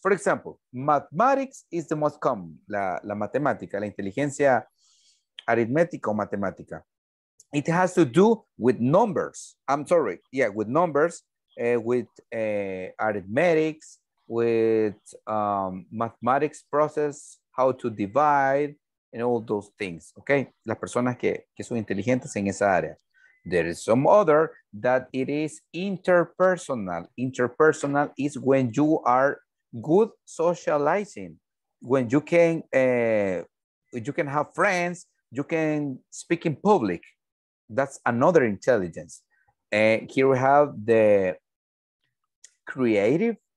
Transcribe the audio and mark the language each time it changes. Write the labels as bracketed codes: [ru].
[en] For example, mathematics is the most common. [es] La matemática, la inteligencia aritmética o matemática. [en] It has to do with numbers. I'm sorry, yeah, with numbers. With arithmetics, with mathematics process, how to divide, and all those things, okay? [es] Las personas que son inteligentes en esa área. [en] There is some other that it is interpersonal. Interpersonal is when you are good socializing, when you can have friends, you can speak in public. That's another intelligence. Here we have the creative.